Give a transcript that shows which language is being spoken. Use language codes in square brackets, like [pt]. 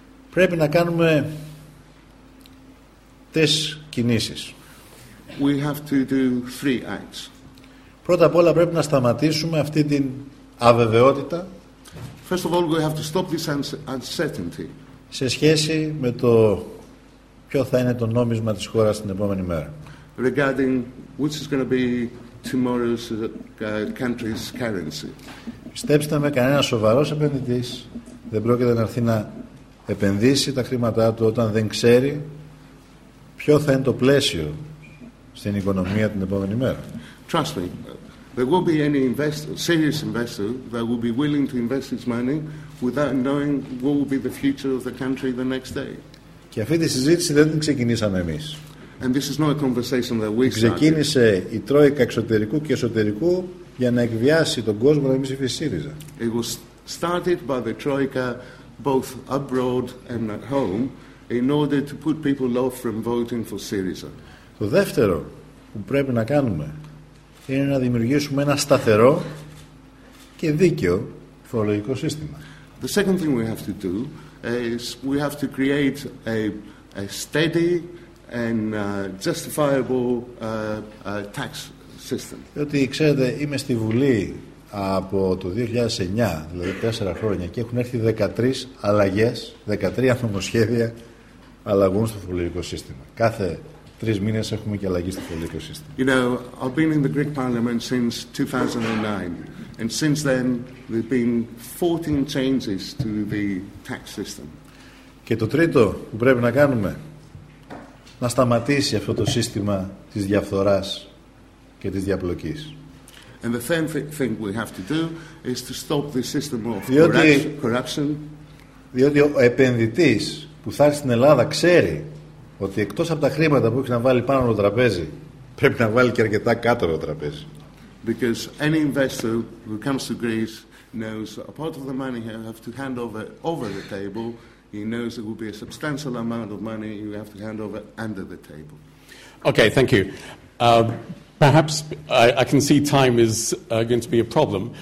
[el] Πρέπει να κάνουμε τρεις κινήσεις. [en] We have to do three acts. [el] Πρώτα απ' όλα πρέπει να σταματήσουμε αυτή την αβεβαιότητα. [en] First of all, we have to stop this uncertainty. [el] Σε σχέση με το ποιο θα είναι το νόμισμα της χώρας την επόμενη μέρα. [en] Regarding which is going to be tomorrow's country's currency. [el] Πιστέψτε με, κανένας σοβαρός επενδυτής δεν πρόκειται να έρθει να επενδύσει τα χρήματά του όταν δεν ξέρει ποιο θα είναι το πλαίσιο στην οικονομία την επόμενη μέρα. [en] Trust me, there will be any investor, serious investor, that will be willing to invest his money without knowing what will be the future of the country the next day. [el] Και αυτή τη συζήτηση δεν την ξεκινήσαμε εμείς. [en] And this is not a conversation that we started. [el] Ξεκίνησε η τρόικα εξωτερικού και εσωτερικού για να εκβιάσει τον κόσμο να μην ψηφίσει ΣΥΡΙΖΑ. [en] It was started by the Troika both abroad and at home in order to put people off from voting for ΣΥΡΙΖΑ. [el] Το δεύτερο που πρέπει να κάνουμε είναι να δημιουργήσουμε ένα σταθερό και δίκαιο φορολογικό σύστημα. [en] The second thing we have to do is we have to create a steady and justifiable tax system. [el] Διότι, ξέρετε, είμαι στη Βουλή από το 2009, δηλαδή 4 χρόνια, και έχουν έρθει 13 αλλαγές, 13 νομοσχέδια αλλαγών στο φορολογικό σύστημα. Κάθε 3 μήνες έχουμε και αλλαγή στο φορολογικό σύστημα. [en] You know, I've been in the Greek Parliament since 2009, and since then there have been 14 changes to the tax system. [el] Και το τρίτο που πρέπει να κάνουμε, να σταματήσει αυτό το σύστημα της διαφθοράς και της διαπλοκής. [en] And the third thing we have to do is to stop the system of corruption. [el] Διότι ο επενδυτής που θα έρθει στην Ελλάδα ξέρει ότι εκτός από τα χρήματα που έχει να βάλει πάνω από το τραπέζι, πρέπει να βάλει και αρκετά κάτω από το τραπέζι. [en] Because any investor who comes to Greece knows a part of the money you have to hand over the table, he knows it will be a substantial amount of money you have to hand over under the table. Okay, thank you. Perhaps I can see time is going to be a problem.